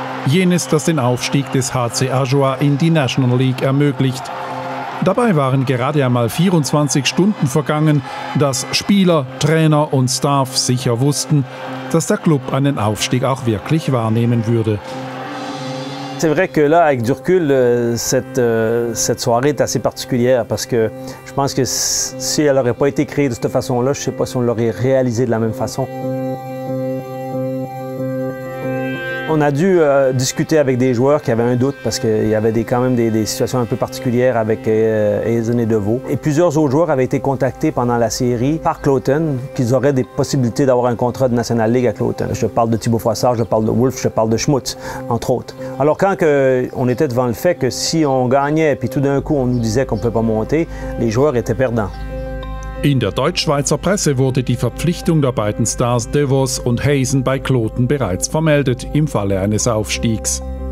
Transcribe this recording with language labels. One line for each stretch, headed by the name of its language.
German: Jenes, das den Aufstieg des HC Ajoie in die National League ermöglicht. Dabei waren gerade einmal 24 Stunden vergangen, dass Spieler, Trainer und Staff sicher wussten, dass der Club einen Aufstieg auch wirklich wahrnehmen würde.
French: C'est vrai que là, avec du recul, cette soirée est assez particulière parce que je pense que si elle n'aurait pas été créée de cette façon-là, je ne sais pas si on l'aurait réalisée de la même façon. On a dû discuter avec des joueurs qui avaient un doute parce qu'il y avait quand même des situations un peu particulières avec Hazen et Deveau. Et plusieurs autres joueurs avaient été contactés pendant la série par Cloten qu'ils auraient des possibilités d'avoir un contrat de National League à Cloten. Je parle de Thibaut Froissart, je parle de Wolf, je parle de Schmutz, entre autres. Alors quand on était devant le fait que si on gagnait et puis tout d'un coup on nous disait qu'on ne pouvait pas monter, les joueurs étaient perdants.
German: In der Deutschschweizer Presse wurde die Verpflichtung der beiden Stars Devos und Hazen bei Kloten bereits vermeldet im Falle eines Aufstiegs.